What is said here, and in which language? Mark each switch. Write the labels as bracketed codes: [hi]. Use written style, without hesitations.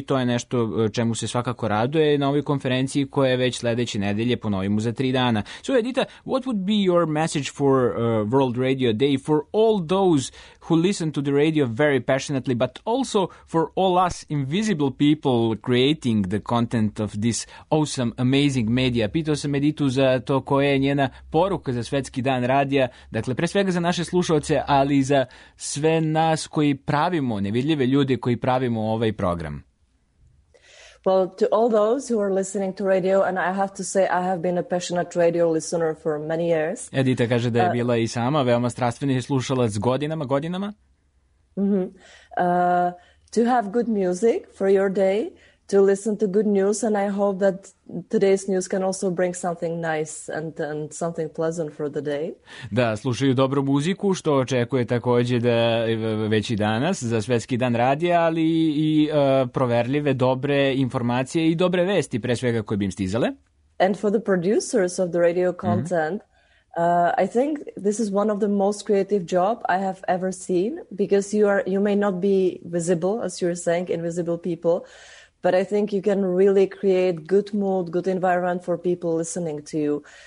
[sr] I to je nešto čemu se svakako raduje na ovoj konferenciji koja je već sledeće nedelje, ponovimo za tri dana. [en] So Edita, what would be your message for World Radio Day for all those who listen to the radio very passionately, but also for all us invisible people creating the content of this awesome, amazing media? [sr] Pitao sam Editu za to koja je njena poruka za Svetski dan radija, dakle pre svega za naše slušalce, ali i za sve nas koji pravimo, nevidljive ljude koji pravimo ovaj program. [en] Well, to all those who are listening to radio, and I have to say I have been a passionate radio listener for many years. [sr] Edita kaže da je bila i sama veoma strastveni slušalac godinama. Mm-hmm. [en] To have good music for your day, to listen to good news, and I hope that today's news can also bring something nice and something pleasant for the day. [sr] Da, slušaju dobru muziku, što očekuje takođe da već i danas za Svetski dan radija, ali i proverljive dobre informacije i dobre vesti pre svega koje bi im stizale. [en] And for the producers of the radio content, I think this is one of the most creative job I have ever seen, because you may not be visible, as you're saying, invisible people. But I think you can really create good mood, good environment for people listening to you.